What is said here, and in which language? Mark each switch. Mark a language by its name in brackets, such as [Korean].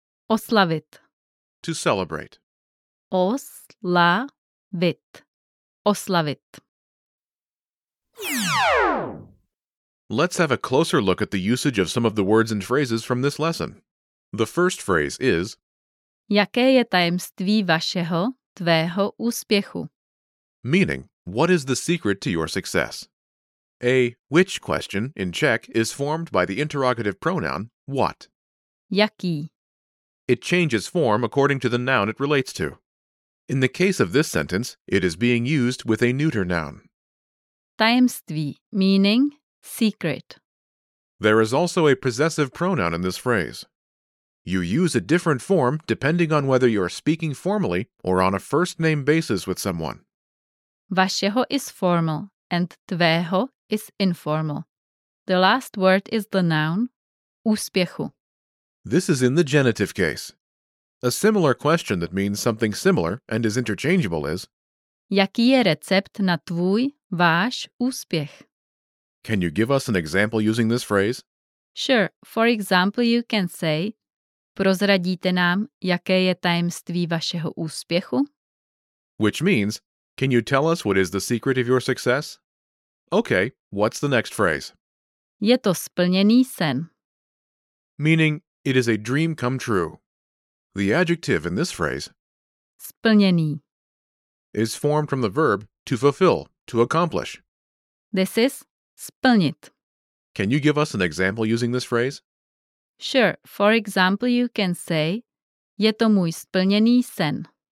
[Czech] oslavit. [English] To celebrate. [Czech] Oslavit. Oslavit. [English] Let's have a closer look at the usage of some of the words and phrases from this lesson. The first phrase is [Czech] jaké je tajemství vašeho, tvého úspěchu? [English] Meaning, what is the secret to your success? A which question in Czech is formed by the interrogative pronoun what? [Czech] Jaký. [English] It changes form according to the noun it relates to. In the case of this sentence, it is being used with a neuter noun. Tajemství, meaning secret. There is also a possessive pronoun in this phrase. You use a different form depending on whether you are speaking formally or on a first-name basis with someone. Vašeho is formal and tvého is informal. The last word is the noun úspěchu. This is in the genitive case. A similar question that means something similar and is interchangeable is [Czech] jaký je recept na tvůj, váš úspěch? [English] Can you give us an example using this phrase? Sure. For example, you can say [Czech] prozradíte nám, jaké je tajemství vašeho úspěchu? [English] Which means, can you tell us what is the secret of your success? Okay, what's the next phrase? [Czech] Je to splněný sen. [English] Meaning, it is a dream come true. The adjective in this phrase [Czech] splněný [English] is formed from the verb to fulfill, to accomplish. This is splnit. Can you give us an example using this phrase? Sure. For example, you can say [Czech] je to můj splněný sen.